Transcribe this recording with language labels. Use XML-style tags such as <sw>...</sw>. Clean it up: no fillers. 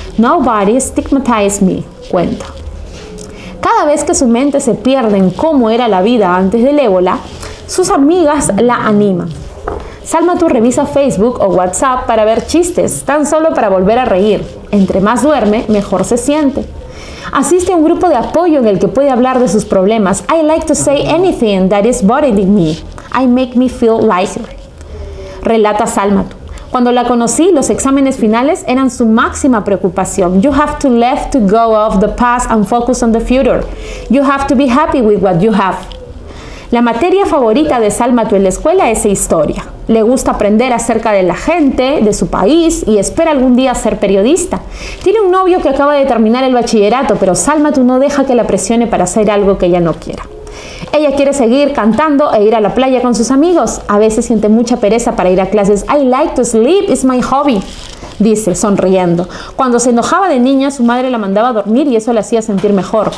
<en>Nobody stigmatized me,</en> <es>cuenta. Cada vez que su mente se pierde en cómo era la vida antes del ébola, sus amigas la animan. Salmatu revisa Facebook o WhatsApp para ver chistes, tan solo para volver a reír. Entre más duerme, mejor se siente. Asiste a un grupo de apoyo en el que puede hablar de sus problemas.</es> <en>I like to say anything that is bothering me. I make me feel lighter.</en> <es>Relata</es> <en>Salmatu.</en> <es>Cuando la conocí, los exámenes finales eran su máxima preocupación.</es> <en>You have to let to go of the past and focus on the future. You have to be happy with what you have.</en> <es>La materia favorita de Salmatu en la escuela es historia. Le gusta aprender acerca de la gente, de su país y espera algún día ser periodista. Tiene un novio que acaba de terminar el bachillerato, pero Salmatu no deja que la presione para hacer algo que ella no quiera. Ella quiere seguir cantando e ir a la playa con sus amigos. A veces siente mucha pereza para ir a clases.</es> <en>I like to sleep, it's my hobby,</en> <es>dice, sonriendo. Cuando se enojaba de niña, su madre la mandaba a dormir y eso la hacía sentir mejor.</es>